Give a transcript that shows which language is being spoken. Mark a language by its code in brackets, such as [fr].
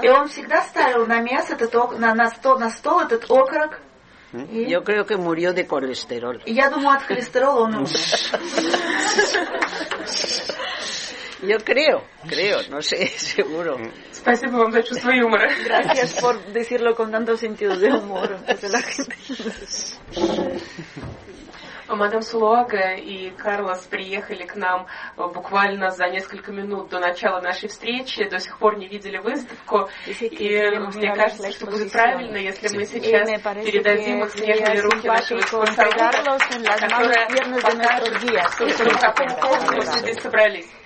[ru] Y он всегда ставил на место этот на стол этот окорок. [es] Yo creo que murió de colesterol. [ru] Y я думаю, от холестерола он умер. [es] Yo creo, no sé, seguro. [ru] Спасибо вам за чувство юмора. [es] Gracias por decirlo con tanto sentido de humor. [ru] Мадам Сулуага и Карлос приехали к нам буквально за несколько минут до начала нашей встречи, до сих пор не видели выставку, и мне кажется, что будет правильно, если мы сейчас передадим их снежные руки нашего экскурсовода, которая покажет, в каком поводу мы все здесь собрались.